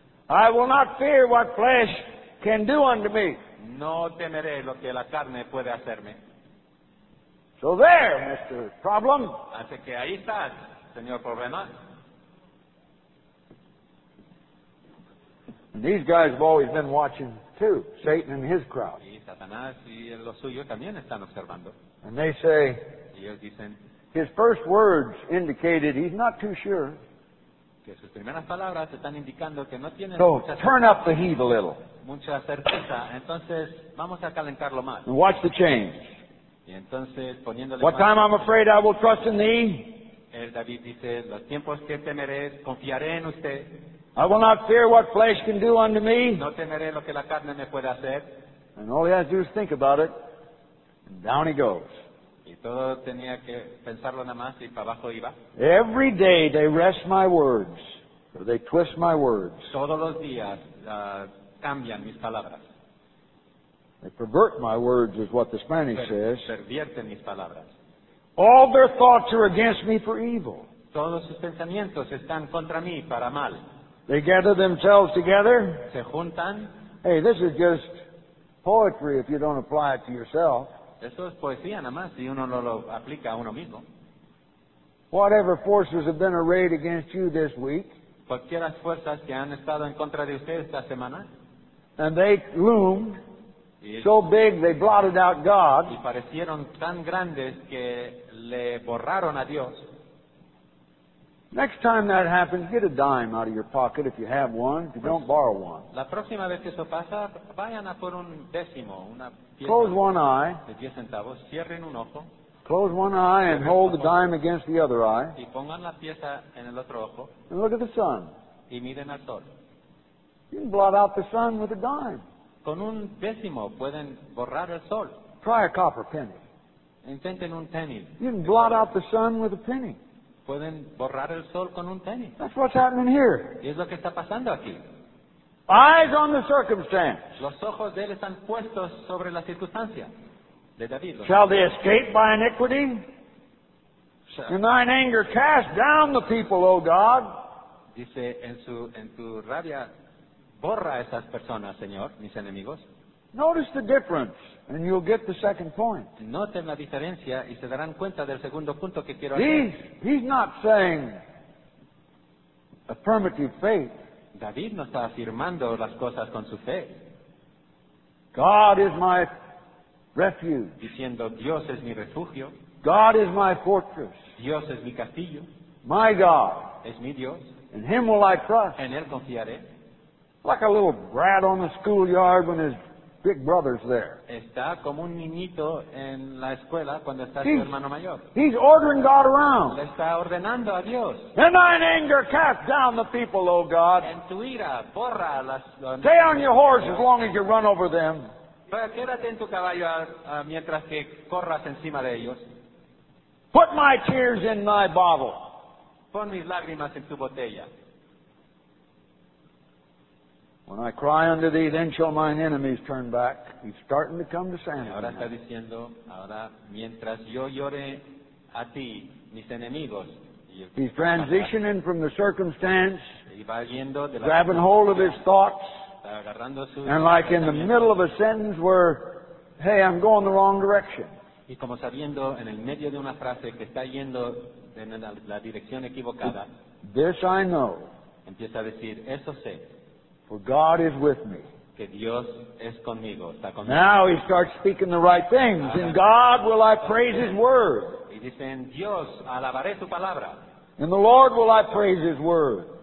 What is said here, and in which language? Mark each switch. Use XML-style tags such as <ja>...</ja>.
<en>I will not fear what flesh can do unto me.</en> <es>No temeré lo que la carne puede hacerme.</es> <en>So there, Mr. Problem.</en> <es>Así que ahí estás, señor problema.</es> <en>And these guys have always been watching too, Satan and his crowd.</en> <es>Y Satanás y los suyos también están observando.</es> <en>And they say,</en> <es>y ellos dicen,</es> <en>his first words indicated he's not too sure.</en> <es>Que sus primeras palabras están indicando que no tiene</es> <en>so, turn up the heat a little.</en> <es>Mucha certeza. Entonces, vamos a calentarlo más.</es> <en>And watch the change.</en> <es>Y entonces, poniéndole</es> <en>what time I'm afraid I will trust in thee.</en> <es>El David dice, los tiempos que temeré, confiaré en usted.</es> <en>I will not fear what flesh can do unto me.</en> <es>No temeré lo que la carne me puede hacer.</es> <en>And all he has to do is think about it. And down he goes.</en> <es>Y todo tenía que pensarlo nada más y para abajo iba.</es> <en>Every day they wrest my words, or they twist my words.</en> <es>Todos los días cambian mis palabras.</es> <en>They pervert my words, is what the Spanish says.</en> <es>Pervierten mis palabras.</es> <en>All their thoughts are against me for evil.</en> <es>Todos sus pensamientos están contra mí para mal.</es> <en>They gather themselves together.</en> <es>Se juntan.</es> <en>Hey, this is just poetry if you don't apply it to yourself.</en> <es>Eso es poesía nada más si uno no lo aplica a uno mismo.</es> <en>Whatever forces have been arrayed against you this week.</en> <es>Cualquieras fuerzas que han estado en contra de usted esta semana.</es> <en>And they loomed so big they blotted out God.</en> <es>Y parecieron tan grandes que le borraron a Dios.</es> <en>Next time that happens, get a dime out of your pocket if you have one. If you don't, borrow one.</en> <es>La próxima vez que eso pasa, vayan a por un décimo, una pieza.</es> <en>Close one eye.</en> <es>De 10 centavos. Cierren un ojo.</es> <en>Close one eye and hold the dime against the other eye.</en> <es>Y pongan la pieza en el otro ojo.</es> <en>And look at the sun.</en> <es>Y miren al sol.</es> <en>You can blot out the sun with a dime.</en> <es>Con un décimo pueden borrar el sol.</es> <en>Try a copper penny.</en> <es>Intenten un penny.</es> <en>You can blot out the sun with a penny.</en> <es>Pueden borrar el sol con un tenis.</es> <en>That's what's happening here.</en> <es>Y es lo que está pasando aquí.</es> <en>Eyes on the circumstance.</en> <es>Los ojos de él están puestos sobre la circunstancia de David.</es> <en>Shall they escape by iniquity? Sure. In thine anger cast down the people, O God.</en> <es>Dice, en tu rabia, borra a esas personas, Señor, mis enemigos.</es> <en>Notice the difference, and you'll get the second point.</en> <es>Noten la diferencia y se darán cuenta del segundo punto que quiero hacer.</es> <en>He's not saying affirmative faith.</en> <es>David no está afirmando las cosas con su fe.</es> <en>God is my refuge.</en> <es>Diciendo, Dios es mi refugio.</es> <en>God is my fortress.</en> <es>Dios es mi castillo.</es> <en>My God.</en> <es>Es mi Dios.</es> <en>In Him will I trust.</en> <es>En Él confiaré.</es> <en>Like a little brat on the schoolyard when his big brother's there.</en> <es>Está como un niñito en la escuela cuando está su hermano mayor.</es> <en>He's ordering God around.</en> <es>Le está ordenando a Dios.</es> <en>In thine anger, cast down the people, O God.</en> <es>En tu ira, borra las.</es> <en>Stay on your horse as long as you run over them.</en> <es>Pero quédate en tu caballo mientras que corras encima de ellos.</es> <en>Put my tears in my bottle.</en> <es>Pon mis lágrimas en tu botella.</es> <en>When I cry unto thee, then shall mine enemies turn back. He's starting to come to Samuel.</en> <es>Ahora está diciendo, ahora mientras yo llore a ti, mis enemigos.</es> <en>He's transitioning from the circumstance, grabbing hold of his thoughts,</en> <es>agarrando su</es> <en>and like in the middle of a sentence where, hey, I'm going the wrong direction.</en> <es>Y como sabiendo en el medio de una frase que está yendo en la dirección equivocada.</es> <en>This I know.</en> <es>Empieza a decir, eso sé.</es> <en>For God is with me.</en> <es>Que Dios es conmigo, está conmigo.</es> <en>Now he starts speaking the right things. In God will I praise his word.</en> <es>Y dice, en Dios alabaré su palabra.</es> <en>In the Lord will I praise his word.</en>